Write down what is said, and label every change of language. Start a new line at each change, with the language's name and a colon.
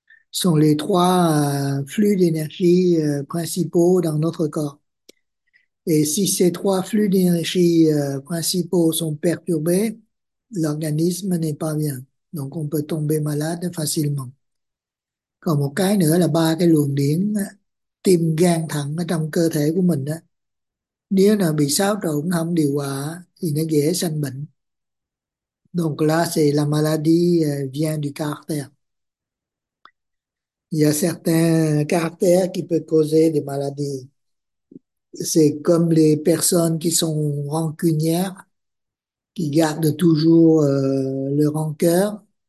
French: Sont les trois flux d'énergie principaux dans notre corps. Et si ces trois flux d'énergie principaux sont perturbés, l'organisme n'est pas bien. Donc on peut tomber malade facilement.
Vietnamese: Còn một cái nữa là ba cái luồng điển tim gan thận ở trong cơ thể của mình đó. Nếu nó bị xáo trộn không điều hòa thì nó dễ sanh bệnh.
French: Donc là c'est la maladie vient du caractère. Il y a certains caractères qui peuvent causer des maladies. C'est comme les personnes qui sont rancunières, qui gardent toujours le rancœur.